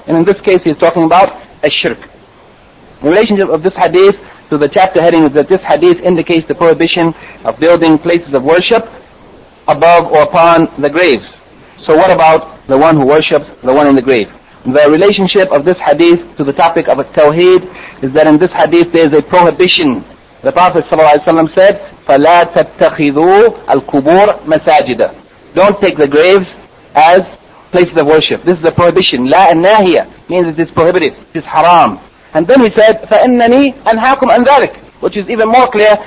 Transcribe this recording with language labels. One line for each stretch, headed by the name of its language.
English: And in this case, he's talking about a shirk. The relationship of this hadith to the chapter heading is that this hadith indicates the prohibition of building places of worship above or upon the graves. So what about the one who worships the one in the grave? The relationship of this hadith to the topic of a tawheed is that in this hadith there is a prohibition. The Prophet ﷺ said,
Arabic: فَلَا تَتَّخِذُوا الْقُبُورَ مَسَاجِدًا.
English: Don't take the graves as places of worship. This is a prohibition.
Arabic: لا النهي
English: means it is prohibited. It is haram. And then he said,
Arabic: فَإِنَّنِي أَنْهَاكُمْ أَنْ ذَلِكَ,
English: which is even more clear.